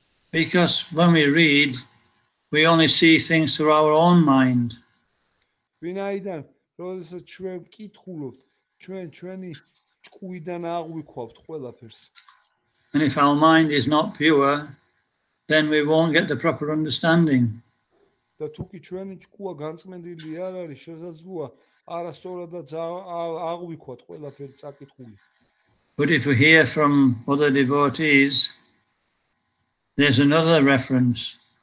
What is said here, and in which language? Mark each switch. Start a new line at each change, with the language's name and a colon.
English: Because when we read, we only see things through our own mind.
Georgian: ვინაიდან როდესაც ჩვენ ვკითხულობთ, ჩვენ ჩვენი ჭკუიდან აღვიქვავთ ყველაფერს.
English: And if our mind is not pure, then we won't get the proper understanding.
Georgian: და თუკი ჩვენი ჭკუა განწმენდილი არ არის, შესაძლოა არასწორად აღვიქვათ ყველაფერი საკითხული.
English: But if we hear from other devotees, there's another reference.